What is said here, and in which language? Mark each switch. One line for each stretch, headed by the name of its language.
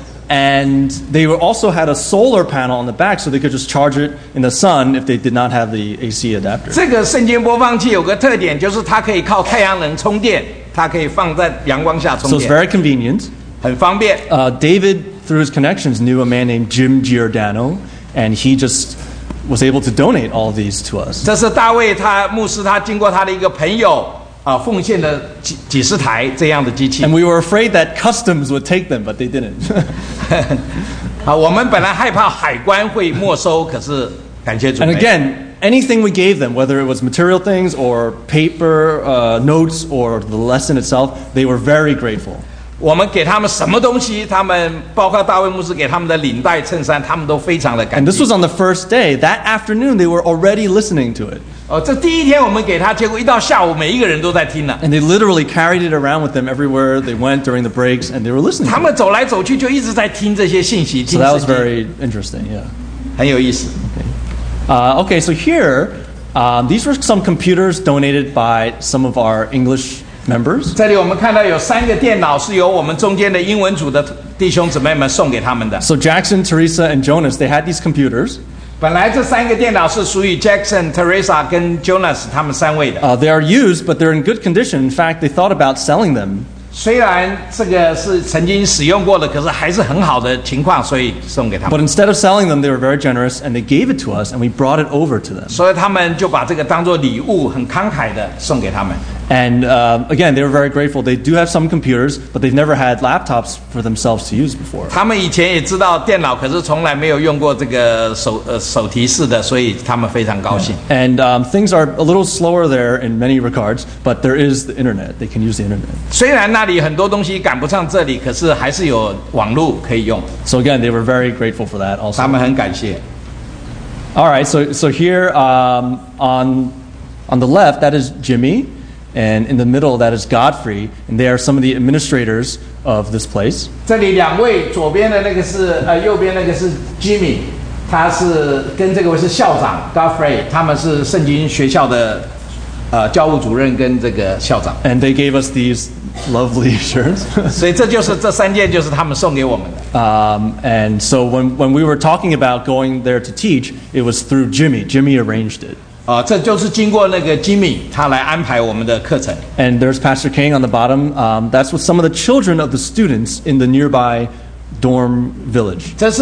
English: And they also had a solar panel on the back, so they could just charge it in the sun if they did not have the AC adapter.
Chinese: 这个圣经播放器有个特点，就是它可以靠太阳能充电，它可以放在阳光下充电。
English: So it's very convenient.
Chinese: 很方便。
English: David, through his connections, knew a man named Jim Giordano, and he just... was able to donate all these to us.
Chinese: 这是大卫他牧师他经过他的一个朋友奉献的几十台这样的机器。
English: And we were afraid that customs would take them, but they didn't.
Chinese: 我们本来害怕海关会没收，可是感谢主。
English: And again, anything we gave them, whether it was material things or paper, notes or the lesson itself, they were very grateful.
Chinese: 我们给他们什么东西，他们包括大卫牧师给他们的领带、衬衫，他们都非常的感激。
English: And this was on the first day. That afternoon, they were already listening to it.
Chinese: 这第一天我们给他，结果一到下午，每一个人都在听了。
English: And they literally carried it around with them everywhere they went during the breaks, and they were listening.
Chinese: 他们走来走去就一直在听这些信息。
English: So that was very interesting, yeah.
Chinese: 很有意思。
English: Okay, so here, these were some computers donated by some of our English. Members.
Chinese: 这里我们看到有三个电脑是由我们中间的英文组的弟兄姊妹们送给他们的。
English: So Jackson, Teresa, and Jonas, they had these computers.
Chinese: 本来这三个电脑是属于 Jackson, Teresa, 跟 Jonas 他们三位的。
English: They are used, but they're in good condition. In fact, they thought about selling them.
Chinese: 虽然这个是曾经使用过的，可是还是很好的情况，所以送给他们。
English: But instead of selling them, they were very generous, and they gave it to us, and we brought it over to them.
Chinese: 所以他们就把这个当作礼物，很慷慨的送给他们。
English: And again, they were very grateful. They do have some computers, but they've never had laptops for themselves to use before.
Chinese: 他们以前也知道电脑，可是从来没有用过这个手提式的，所以他们非常高兴。
English: Yeah. And things are a little slower there in many regards, but there is the internet. They can use the internet.
Chinese: 虽然那里很多东西赶不上这里，可是还是有网络可以用。
English: So again, they were very grateful for that also.
Chinese: 他们很感谢。
English: All right, so here on the left, that is Jimmy, and in the middle, that is Godfrey, and they are some of the administrators of this place.
Chinese: 这里两位左边的那个是Jimmy, 他是跟这个位是校长 Godfrey, 他们是圣经学校的 教务主任跟这个校长.
English: And they gave us these lovely shirts.
Chinese: 所以这就是这三件就是他们送给我们的.
English: And so when we were talking about going there to teach, it was through Jimmy. Jimmy arranged it.
Chinese: 这就是经过那个Jimmy, 他来安排我们的课程.
English: And there's Pastor King on the bottom. That's with some of the children of the students in the nearby dorm village.